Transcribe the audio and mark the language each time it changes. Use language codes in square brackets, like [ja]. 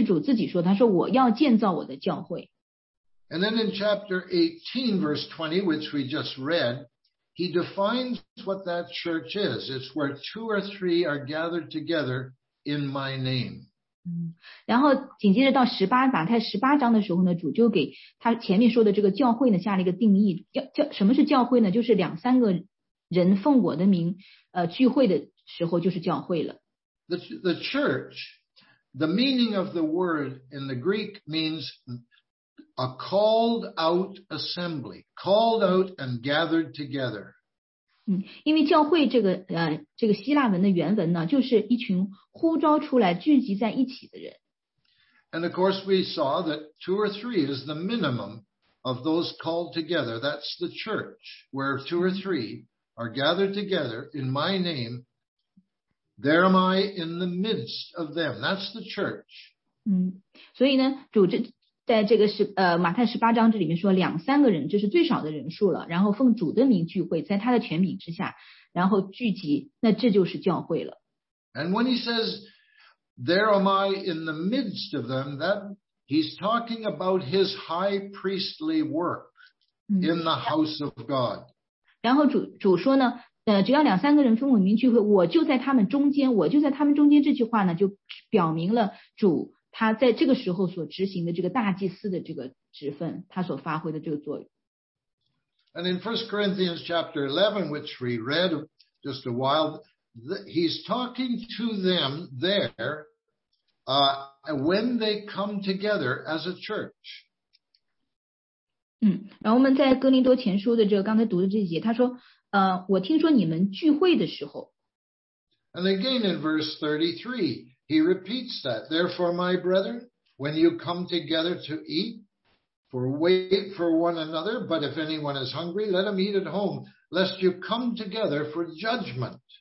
[zh] 我们在马太福音16章的时候读过,大家都很熟悉这段经文,不就不翻过去了,是主自己说,他说我要建造我的教会。 [en] And then in chapter 18, verse 20, which we just read, he defines what that church is. It's where two or three are gathered together in my name. [zh] 然后紧接着到马太18章的时候呢, 主就给他前面说的这个教会呢,下了一个定义,什么是教会呢? 就是两三个人奉我的名, 聚会的时候就是教会了。 [en] The church, the meaning of the word in the Greek means a called out assembly, called out and gathered together. [zh] 因为教会这个希腊文的原文呢, 就是一群呼召出来聚集在一起的人。 [en] And of course we saw that two or three is the minimum of those called together. That's the church, where two or three are gathered together in my name, there am I in the midst of them. That's the church. [zh] 所以呢, 在这个马太18章这里面说两三个人,就是最少的人数了,然后奉主的名聚会,在他的权柄之下,然后聚集,那这就是教会了。 [en] And when he says, there am I in the midst of them, that he's talking about his high priestly work in the house of God. [zh] 然后主说呢, 只要两三个人奉我名聚会,我就在他们中间,我就在他们中间这句话呢,就表明了主 他在这个时候所执行的这个大祭司的这个职分,他所发挥的这个作用。 [en] And in 1 Corinthians chapter 11, which we read just a while, he's talking to them there when they come together as a church. [zh] 然后我们在哥林多前书的这个刚才读的这一节,他说,我听说你们聚会的时候。 [en] And again in verse 33, he repeats that. Therefore, my brethren, when you come together to eat, for wait for one another, but if anyone is hungry, let him eat at home, lest you come together for judgment.